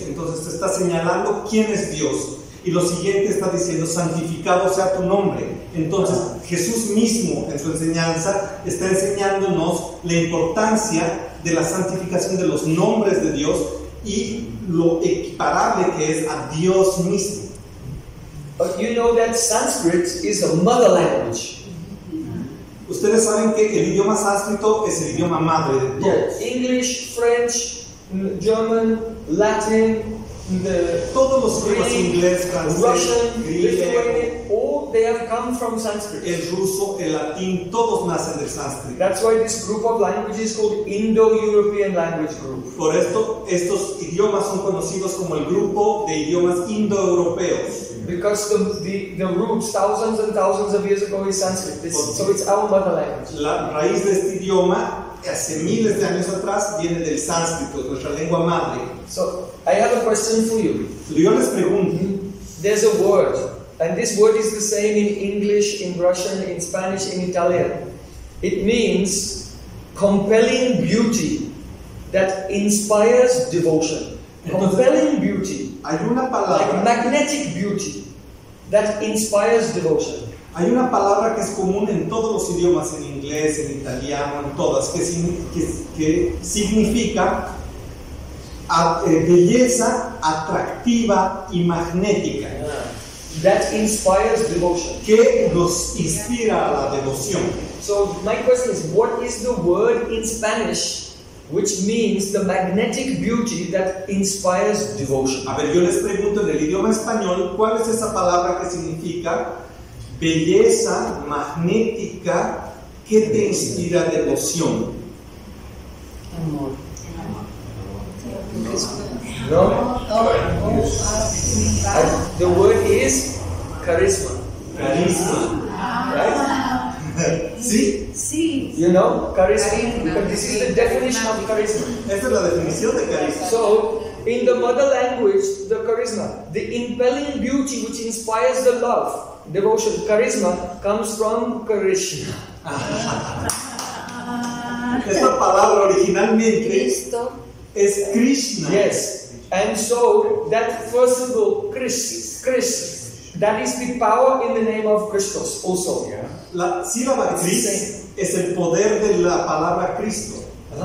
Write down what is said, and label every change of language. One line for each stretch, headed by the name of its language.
Spanish: Entonces te está señalando quién es Dios. Y lo siguiente está diciendo, santificado sea tu nombre. Entonces Jesús mismo en su enseñanza está enseñándonos la importancia de la santificación de los nombres de Dios y lo equiparable que es a Dios mismo.
English: But you know that Sanskrit is a mother language.
Spanish: Ustedes saben que el idioma sánscrito es el idioma madre de todos.
English: Yeah. English, French, German, Latin,
Spanish: todos los idiomas inglés, francés,
English: Russian, Lithuanian, all they have come from Sanskrit.
Spanish: El ruso, el latín, todos nacen del sánscrito.
English: That's why this group of languages is called Indo-European language group.
Spanish: Por esto, estos idiomas son conocidos como el grupo de idiomas indoeuropeos.
English: Because the roots thousands and thousands of years ago is Sanskrit, so it's our mother language.
Spanish: La raíz de este idioma hace miles de años atrás viene del sánscrito, nuestra lengua madre.
English: So I have a question for you.
Spanish: Yo les pregunto.
English: There's a word, and this word is the same in English, in Russian, in Spanish, in Italian. It means compelling beauty that inspires devotion.
Spanish: Entonces,
English: compelling beauty.
Spanish: Hay una palabra,
English: like magnetic beauty that inspires devotion.
Spanish: Hay una palabra que es común en todos los idiomas, en inglés, en italiano, en todas, que significa belleza atractiva y magnética.
English: Yeah. That inspires devotion.
Spanish: Que nos inspira a la devoción.
English: So my question is, what is the word in Spanish which means the magnetic beauty that inspires devotion?
Spanish: A ver, yo les pregunto en el idioma español, ¿cuál es esa palabra que significa belleza magnética que te inspira devoción? Amor. No. Amor.
English: The word is charisma. Charisma. Right?
Spanish: Sí. Sí.
English: You know, charisma. Because this is the definition of charisma.
Spanish: Esta es la definición de carisma.
English: So, in the mother language, the charisma, the impelling beauty which inspires the love, devotion, charisma, comes from charisma.
Spanish: Esta palabra originalmente Cristo. Es Krishna.
English: Yes. And so, that first of all, Chris, that is the power in the name of Christos also. Yeah.
Spanish: La sílaba Cris es el poder de la palabra Cristo, uh-huh.